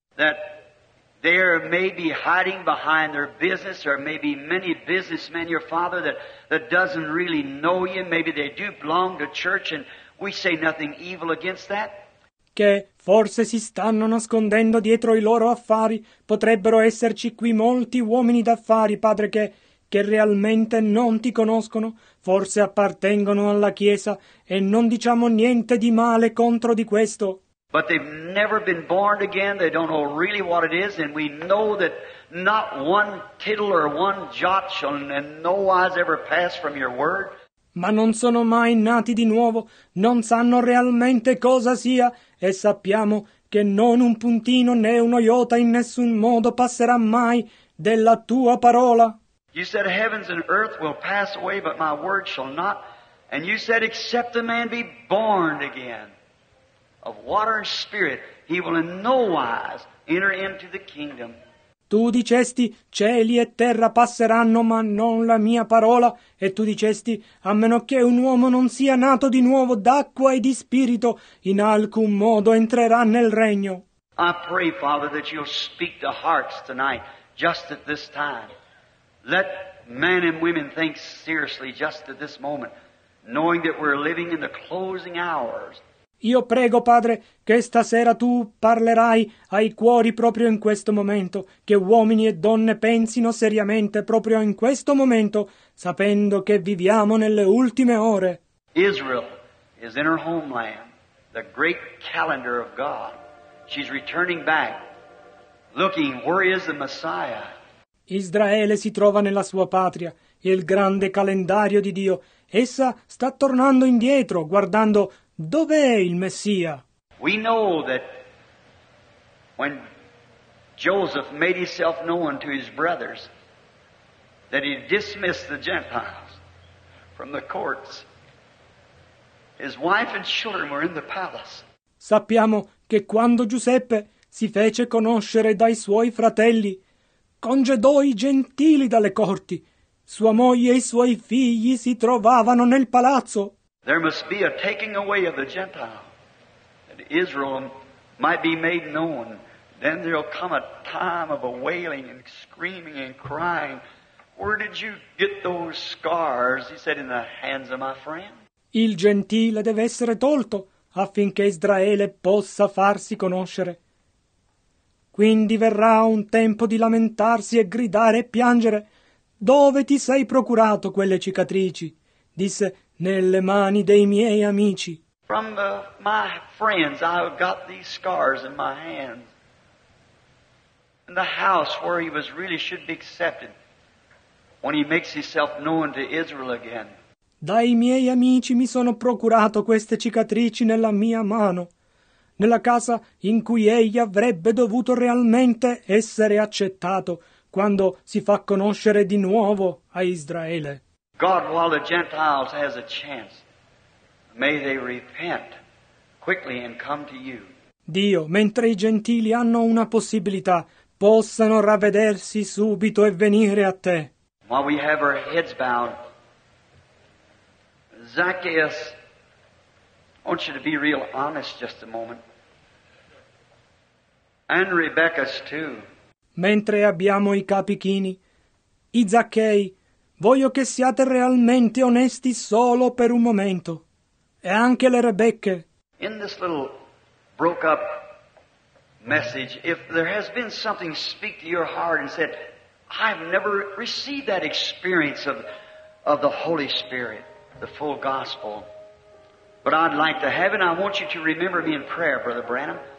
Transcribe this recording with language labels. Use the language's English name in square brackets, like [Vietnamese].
[English] That there may be hiding behind their business, or maybe many businessmen, your father, that doesn't really know you. Maybe they do belong to church, and we say nothing evil against that. [Italian] Che forse si stanno nascondendo dietro i loro affari. Potrebbero esserci qui molti uomini d'affari, padre, che realmente non ti conoscono, forse appartengono alla Chiesa, e non diciamo niente di male contro di questo. [English] But they've never been born again, they don't know really what it is, and we know that not one tittle or one jot shall in no wise ever pass from your word. [Italian] Ma non sono mai nati di nuovo, non sanno realmente cosa sia, e sappiamo che non un puntino né uno iota in nessun modo passerà mai della tua parola. [English] You said heavens and earth will pass away, but my word shall not. And you said, except a man be born again of water and spirit, he will in no wise enter into the kingdom. [Italian] Tu dicesti, cieli e terra passeranno, ma non la mia parola. E tu dicesti, a meno che un uomo non sia nato di nuovo d'acqua e di spirito, in alcun modo entrerà nel regno. [English] I pray, Father, that you'll speak to hearts tonight, just at this time. Let men and women think seriously just at this moment, knowing that we're living in the closing hours. [Italian] Io prego, Padre, che stasera tu parlerai ai cuori proprio in questo momento, che uomini e donne pensino seriamente proprio in questo momento, sapendo che viviamo nelle ultime ore. [English] Israel is in her homeland, the great calendar of God. She's returning back, looking, where is the Messiah? [Italian] Israele si trova nella sua patria, il grande calendario di Dio. Essa sta tornando indietro, guardando, dov'è il Messia? [English] We know that when Joseph made himself known to his brothers, that he dismissed the Gentiles from the courts. His wife and children were in the palace. [Italian] Sappiamo che quando Giuseppe si fece conoscere dai suoi fratelli, congedò i gentili dalle corti. Sua moglie e i suoi figli si trovavano nel palazzo. [English] There must be a taking away of the Gentile, that Israel might be made known. Then there'll come a time of a wailing and screaming and crying. Where did you get those scars? He said, in the hands of my friend. [Italian] Il gentile deve essere tolto affinché Israele possa farsi conoscere. Quindi verrà un tempo di lamentarsi e gridare e piangere. Dove ti sei procurato quelle cicatrici? Disse, nelle mani dei miei amici. [English] From my friends I got these scars in my hands. In the house where he was really should be accepted when he makes himself known to Israel again. [Italian] Dai miei amici mi sono procurato queste cicatrici nella mia mano. Nella casa in cui egli avrebbe dovuto realmente essere accettato quando si fa conoscere di nuovo a Israele. [English] God, while the Gentiles has a chance, may they repent quickly and come to you. [Italian] Dio, mentre i gentili hanno una possibilità, possano ravvedersi subito e venire a te. [English] While we have our heads bowed, Zacchaeus, I want you to be real honest just a moment. And Rebecca's too. [Italian] Mentre abbiamo i capi chini, i Zaccei, voglio che siate realmente onesti solo per un momento. E anche le Rebecche. [English] In this little broke up message, if there has been something speak to your heart and said, I've never received that experience of the Holy Spirit, the full gospel, but I'd like to have it, and I want you to remember me in prayer, Brother Branham.